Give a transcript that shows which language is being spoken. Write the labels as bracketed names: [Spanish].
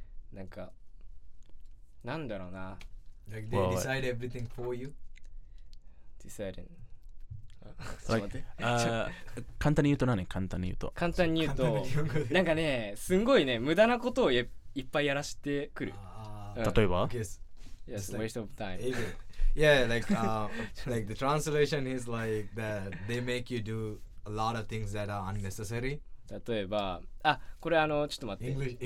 [Japanese] なんかなんだろうな。 [English] Like they decide everything for you? Deciding. [Japanese] Like, 簡単に言うと何？簡単に言うと。簡単に言うと、なんかね、すんごいね、無駄なことをいっぱいやらしてくる。例えば？ [English] Yes, waste of time. Yeah, like the translation is like that they make you do a lot of things that are unnecessary. [Japanese] 例えば、あ、これあの、ちょっと待って。